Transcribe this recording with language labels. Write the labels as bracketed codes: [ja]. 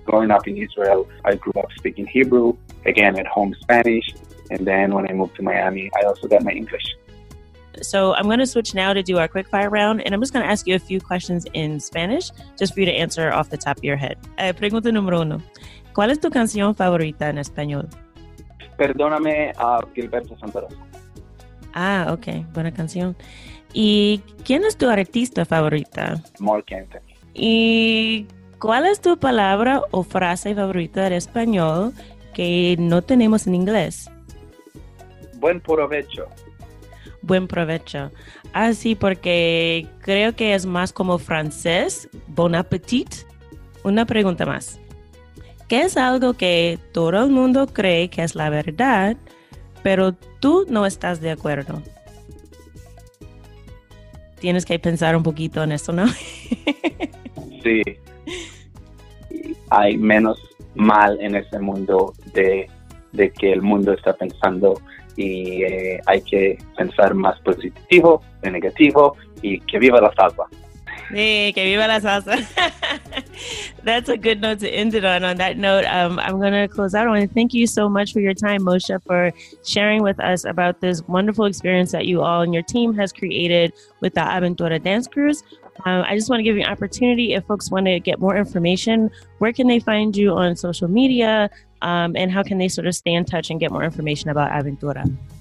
[en] Growing up in Israel, I grew up speaking Hebrew, again, at home Spanish. And then when I moved to Miami, I also got my English. So I'm going to switch now to do our quick fire round. And I'm just going to ask you a few questions in Spanish, just for you to answer off the top of your head. [es] Pregunta número uno. ¿Cuál es tu canción favorita en español? Perdóname, Gilberto Santa Rosa. Ah, okay. Buena canción. ¿Y quién es tu artista favorita? Mark Anthony. ¿Y cuál es tu palabra o frase favorita en español que no tenemos en inglés? Buen provecho. Buen provecho. Ah, sí, porque creo que es más como francés. Bon appétit. Una pregunta más. ¿Qué es algo que todo el mundo cree que es la verdad, pero tú no estás de acuerdo? Tienes que pensar un poquito en eso, ¿no? Sí. Hay menos mal en ese mundo de que el mundo está pensando, y hay que pensar más positivo que negativo, y que viva la salsa. Sí, que viva la salsa. [en] That's a good note to end it on that note. I'm going to close out. I want to thank you so much for your time, Moshe, for sharing with us about this wonderful experience that you all and your team has created with the Aventura Dance Cruise. I just want to give you an opportunity, if folks want to get more information, where can they find you on social media, and how can they sort of stay in touch and get more information about Aventura?